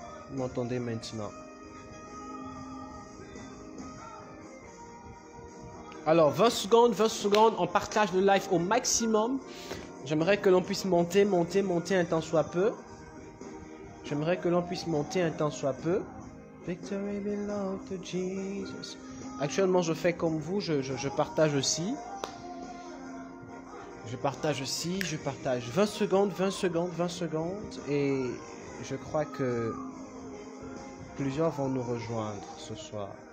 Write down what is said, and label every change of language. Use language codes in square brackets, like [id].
[fr] Vous m'entendez maintenant. Alors, 20 secondes, 20 secondes. On partage le live au maximum. J'aimerais que l'on puisse monter, monter, monter un tant soit peu. J'aimerais que l'on puisse monter un temps soit peu. [en] Victory belongs to Jesus. [fr] Actuellement, je fais comme vous, je partage aussi. Je partage aussi, je partage 20 secondes, 20 secondes, 20 secondes. Et je crois que plusieurs vont nous rejoindre ce soir.